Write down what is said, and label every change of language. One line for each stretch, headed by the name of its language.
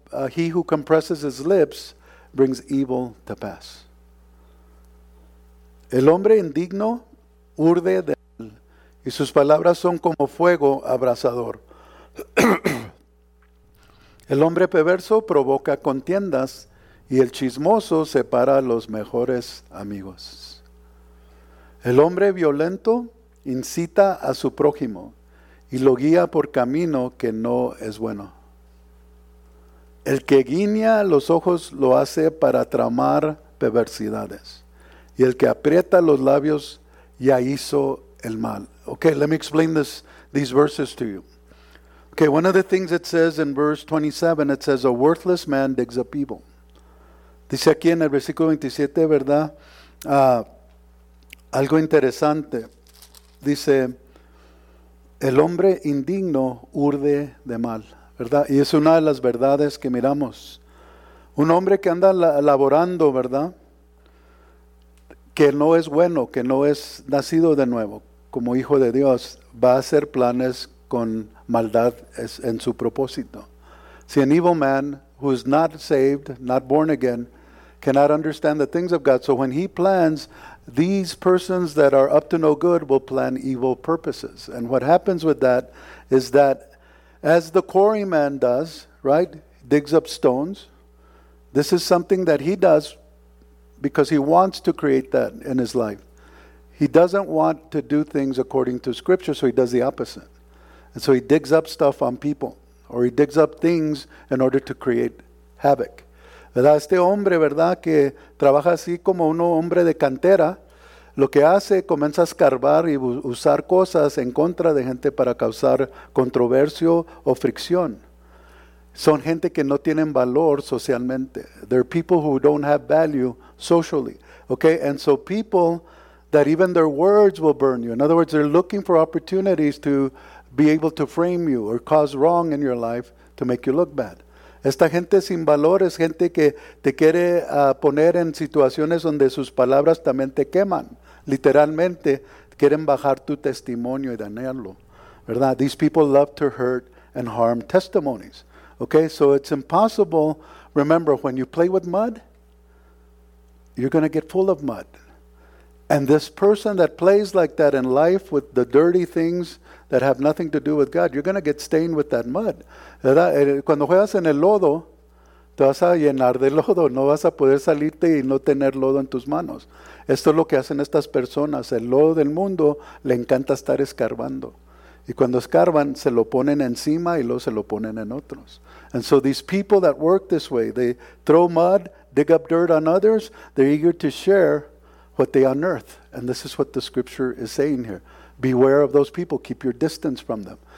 English: He who compresses his lips brings evil to pass.
Spanish: El hombre indigno urde de él, y sus palabras son como fuego abrasador. El hombre perverso provoca contiendas, y el chismoso separa a los mejores amigos. El hombre violento incita a su prójimo y lo guía por camino que no es bueno. El que guiña los ojos lo hace para tramar perversidades, y el que aprieta los labios ya hizo el mal.
English: Okay, let me explain this, these verses to you. Okay, one of the things it says in verse 27, it says, a worthless man digs up evil.
Spanish: Dice aquí en el versículo 27, ¿verdad? Algo interesante. Dice, el hombre indigno urde de mal, ¿verdad? Y es una de las verdades que miramos. Un hombre que anda laborando, ¿verdad? Que no es bueno, que no es nacido de nuevo como hijo de Dios, va a hacer planes con maldad en su propósito.
English: Si an evil man who is not saved, not born again, cannot understand the things of God. So when he plans, these persons that are up to no good will plan evil purposes. And what happens with that is that as the quarryman does, right, digs up stones, this is something that he does because he wants to create that in his life. He doesn't want to do things according to scripture, so he does the opposite. And so he digs up stuff on people, or he digs up things in order to create havoc.
Spanish: ¿Verdad? Este hombre, ¿verdad?, que trabaja así como un hombre de cantera, lo que hace, comienza a escarbar y usar cosas en contra de gente para causar controversia o fricción. Son gente que no tienen valor socialmente.
English: They're people who don't have value socially. Okay, and so people that even their words will burn you. In other words, they're looking for opportunities to be able to frame you or cause wrong in your life to make you look bad.
Spanish: Esta gente sin valor es gente que te quiere poner en situaciones donde sus palabras también te queman. Literalmente, quieren bajar tu testimonio y dañarlo. ¿Verdad?
English: These people love to hurt and harm testimonies. Okay, so it's impossible. Remember, when you play with mud, you're going to get full of mud. And this person that plays like that in life with the dirty things that have nothing to do with God, you're going to get stained with that mud.
Spanish: ¿Verdad? Cuando juegas en el lodo, te vas a llenar de lodo. No vas a poder salirte y no tener lodo en tus manos. Esto es lo que hacen estas personas. El lodo del mundo le encanta estar escarbando. Y cuando escarban, se lo ponen encima y luego se lo ponen en otros.
English: And so these people that work this way, they throw mud, dig up dirt on others, they're eager to share what they unearth. And this is what the scripture is saying here. Beware of those people, keep your distance from them.